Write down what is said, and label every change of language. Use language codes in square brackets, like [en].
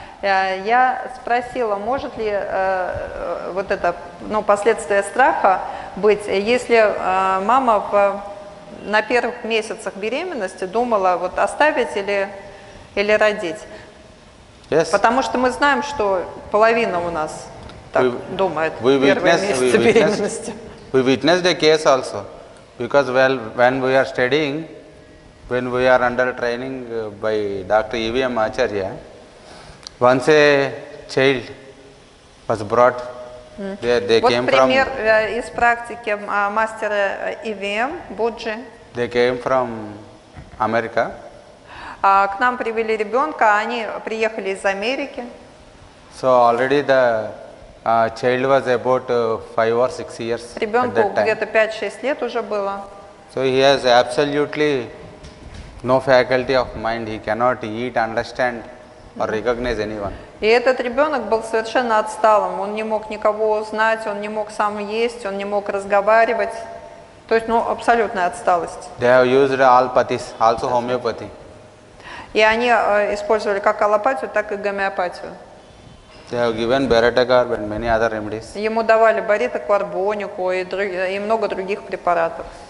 [ru] Я спросила, может ли вот это, ну, последствия страха быть, если мама на первых месяцах беременности думала вот оставить или родить. [en] Yes. [ru] Потому что мы знаем, что половина у нас так думает в первые месяцы беременности. [en] We witnessed a case also, because well, when we are studying, when we are under training by Dr. EVM Acharya, once a child was brought, they [ru] вот пример [en] from, [ru] из практики мастера EVM Буджи. [en] They came from America. [ru] К нам привели ребенка, они приехали из Америки. [en] So already the child was about 5 or 6 years. [ru] Ребенку где-то 5-6 лет уже было. [en] So he has absolutely no faculty of mind. He cannot eat, understand. Or recognize anyone. [ru] И этот ребенок был совершенно отсталым. Он не мог никого узнать, он не мог сам есть, он не мог разговаривать. То есть, ну, абсолютная отсталость. [en] They have used allopathies, also homeopathy. [ru] И они использовали как аллопатию, так и гомеопатию. [en] They have given Baritacarb and many other remedies. [ru] Ему давали баритокарбонику и и много других препаратов.